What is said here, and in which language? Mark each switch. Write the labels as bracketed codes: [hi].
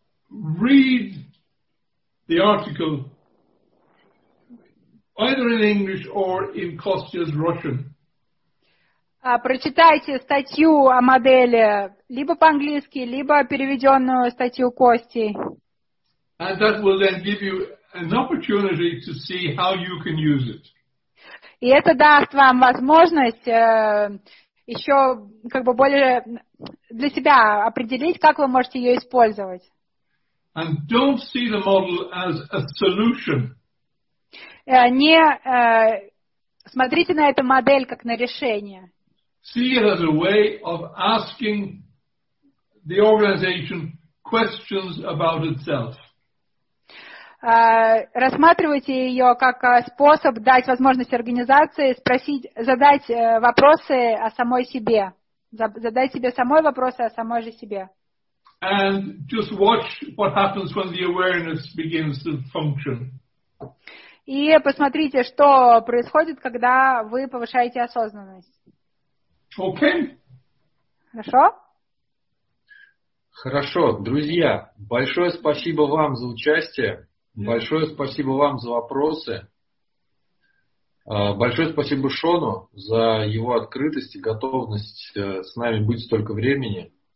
[en] Read the article either in English or in Kostya's Russian. [ru] Прочитайте статью о модели либо по-английски, либо переведенную статью Кости. [en] And that will then give you an opportunity to see how you can use it. [ru] И это даст вам возможность еще как бы более для себя определить, как вы можете ее использовать. [en] And don't see the model as a solution. [ru] Не смотрите на эту модель как на решение. [en] See it as a way of asking the organization questions about itself. [ru] Рассматривайте ее как способ дать возможность организации спросить, задать вопросы о самой себе. Задать себе самой вопросы о самой же себе. [en] And just watch what happens when the awareness begins to function. [ru] И посмотрите, что происходит, когда вы повышаете осознанность. [en] Okay. [ru] Хорошо? Хорошо, друзья, большое спасибо вам за участие, большое спасибо вам за вопросы, большое спасибо Шону за его открытость и готовность с нами быть столько времени.